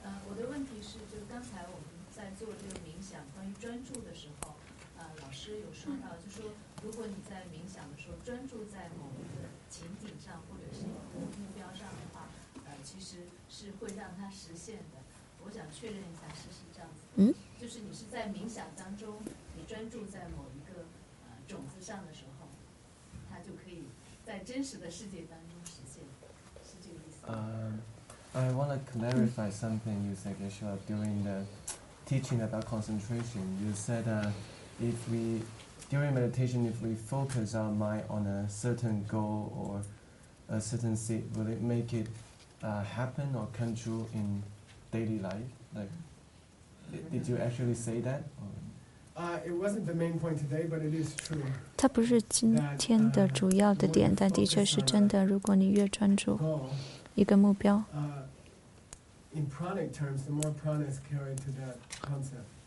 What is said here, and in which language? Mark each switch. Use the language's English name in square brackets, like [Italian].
[Chinese] 我的问题是，就刚才我们在做这个冥想关于专注的时候，老师有说到，就说如果你在冥想的时候专注在某一个情景上或者是某个目标上的话，其实是会让它实现的。我想确认一下，是不是这样子？就是你是在冥想当中，你专注在某一个种子上的时候，它就可以在真实的世界当中实现，是这个意思？ [English] I want to clarify something you said, Geshe-la, during the teaching about concentration. You said that during meditation, if we focus our mind on a certain goal or a certain state, will it make it happen or come true in daily life? Like, did you actually say that? It wasn't the main point today, but it is true. [Chinese] 它不是今天的主要的点，但的确是真的。如果你越专注一个目标， [English] In pranic terms, the more prana is carried to that concept.